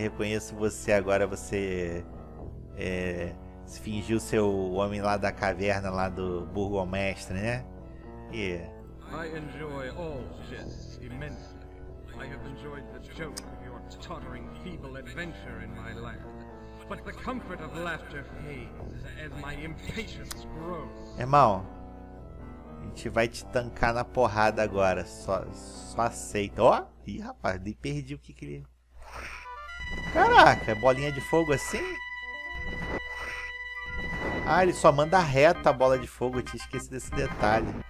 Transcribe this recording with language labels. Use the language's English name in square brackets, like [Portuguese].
[Portuguese] Reconheço você agora, você se fingiu ser o homem lá da caverna, lá do burro ao mestre, né? [English] I enjoy all jests immensely. I have enjoyed the joke. Tottering feeble adventure in my land. But the comfort of laughter fades as my impatience grows. [Portuguese] Irmão, a gente vai te tancar na porrada agora. Só aceita. Ó, oh, ih, rapaz, nem perdi o que ele. Caraca, bolinha de fogo assim? Ah, ele só manda reta a bola de fogo. Eu tinha esquecido desse detalhe.